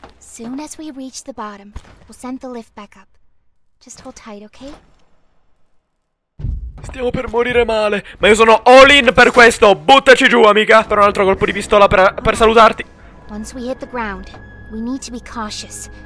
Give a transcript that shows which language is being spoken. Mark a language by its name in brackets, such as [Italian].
[English] Soon as we reach the bottom, we'll send the lift back up. Just hold tight, okay? [Italian] Stiamo per morire male, ma io sono all in per questo. Buttaci giù, amica. Per un altro colpo di pistola per salutarti. [English] Once we hit the ground, we need to be cautious.